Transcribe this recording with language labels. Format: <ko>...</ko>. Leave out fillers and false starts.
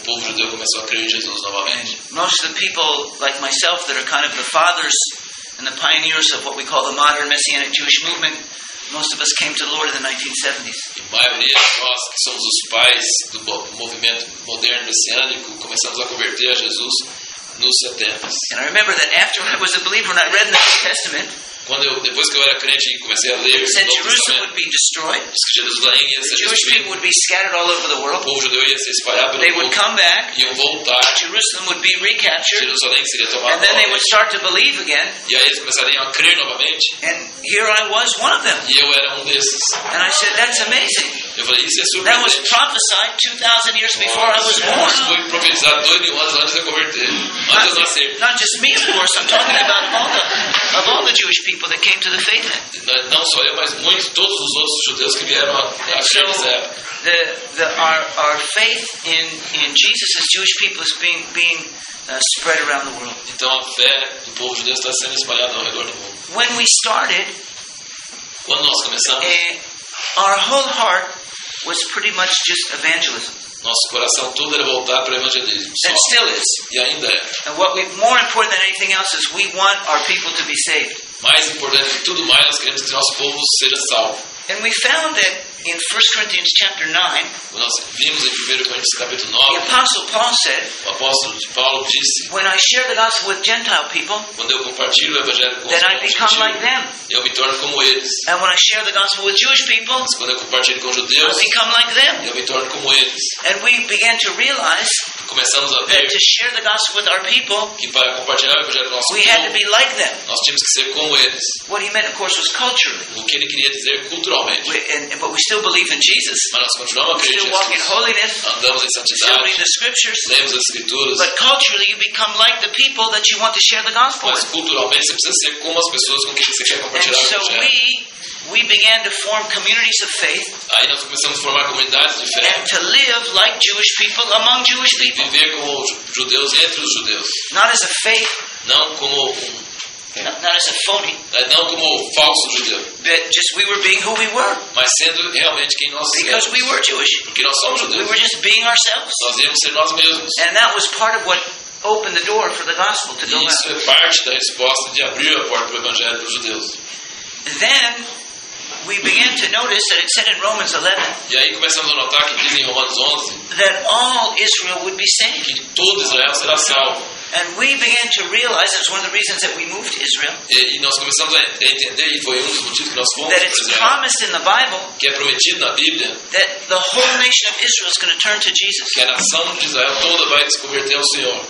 <pt>O povo judeu começou a crer em Jesus novamente.</pt> <en>Most of the people, like myself, that are kind of the fathers and the pioneers of what we call the modern Messianic Jewish movement, most of us came to the Lord in the 1970s.</en> <pt>A maioria de nós, que somos os pais do movimento moderno messiânico, começamos a converter a Jesus nos 70s.</pt> <en>And I remember that after I was a believer and I read the New Testament,</en> <pt>quando eu, depois que eu era crente e comecei a ler,</pt> <en>said Jerusalem would be destroyed.</en> <pt>Que Jerusalém ia ser</pt> <en>Jewish people would be scattered all over the world.</en> <pt>O povo judeu ia ser espalhado pelo mundo.</pt> <en>They would come back.</en> <pt>Iam voltar.</pt> <en>Jerusalem would be recaptured.</en> <pt>Jerusalém seria tomada.</pt> <en>And then they would start to believe again.</en> <pt>E aí eles começariam a crer novamente.</pt> <en>And here I was, one of them.</en> <pt>E eu era um desses.</pt> <en>And I said, that's amazing.</en> <pt>Eu falei, isso é surpreendente.</pt> <en>That was prophesied 2,000 years before I was born.</en> <pt>Foi profetizado 2,000 anos antes de eu converter. Antes de eu nascer.</pt> <en>Not just me, of course. I'm talking about all the Jewish people. People that came to the faith then.</en> <pt>Não só eu, mas muitos, todos os outros judeus que vieram a crer nessa época.</pt> <en>Our faith in Jesus as Jewish people is being spread around the world.</en> <pt>Então a fé do povo judeu está sendo espalhada ao redor do mundo.</pt> <en>When we started,</en> <pt>quando nós começamos,</pt> <en>our whole heart was pretty much just evangelism.</en> <pt>Nosso coração todo era voltado para o evangelismo.</pt> <en>And still is.</en> <pt>E ainda é.</pt> <en>And what we more important than anything else is we want our people to be saved.</en> <pt>Mais importante que tudo mais, nós queremos que nosso povo seja salvo.</pt> <en>And we found that in 1 Corinthians chapter 9,</en> <pt>nós vimos em 1 Coríntios capítulo 9,</pt> <en>the apostle Paul said,</en> <pt>o apóstolo Paulo disse,</pt> <en>when I share the gospel with Gentile people,</en> <pt>quando eu compartilho o evangelho com os gentios,</pt> <en>then I become like them.</en> <pt>Eu me torno como eles.</pt> <en>And when I share the gospel with Jewish people,</en> <pt>mas quando eu compartilho com os judeus,</pt> <en>I become like them.</en> <pt>Eu me torno como eles.</pt> <en>And we began to realize,</en> <pt>começamos a ver,</pt> <en>that to share the gospel with our people,</en> <pt>que para compartilhar o evangelho com nosso</pt> <en>we</en> <pt>povo,</pt> <en>had to be like them.</en> <pt>Nós tínhamos que ser como eles.</pt> <en>What he meant, of course, was culturally.</en> <pt>O que ele queria dizer culturalmente.</pt> <en>But we still believe in Jesus.</en> <pt>Mas nós continuamos a crer em Jesus.</pt> <en>We still walk in holiness.</en> <pt>Andamos em santidade.</pt> <en>Still read the scriptures.</en> <pt>Lemos as escrituras.</pt> <en>But culturally, you become like the people that you want to share the gospel with.</en> <pt>Mas culturalmente, você precisa ser como as pessoas com quem você quer compartilhar o evangelho.</pt> <en>And so we began to form communities of faith.</en> <pt>Aí nós começamos a formar comunidades de fé.</pt> <en>And to live like Jewish people among Jewish people.</en> <pt>Viver como judeus entre os judeus.</pt> <en>Not as a faith.</en> <pt>Não como</pt> <en>Not as a phony.</en> <pt>Não como falso judeu.</pt> <en>But just we were being who we were.</en> <pt>Mas sendo realmente quem nós éramos.</pt> <en>Because we were Jewish.</en> <pt>Porque nós somos judeus.</pt> <en>We were just being ourselves.</en> <pt>Nós íamos ser nós mesmos.</pt> <en>And that was part of what opened the door for the gospel to go out.</en> <pt>Isso é parte da resposta de abrir a porta para o evangelho dos judeus.</pt> <en>Then we began to notice that it said in Romans 11.</en> <pt>E aí começamos a notar que diz em Romanos 11.</pt> <en>That all Israel would be saved.</en> <pt>Que todo Israel será salvo.</pt> <en>And we began to realize it's one of the reasons that we moved to Israel.</en> <pt>E nós começamos a entender e foi um dos motivos que nós fomos para Israel.</pt> <en>Promised in the Bible.</en> <pt>Que é prometido na Bíblia.</pt> <en>That the whole nation of Israel is going to turn to Jesus.</en> <pt>Que a nação de Israel toda vai se converter ao Senhor.</pt>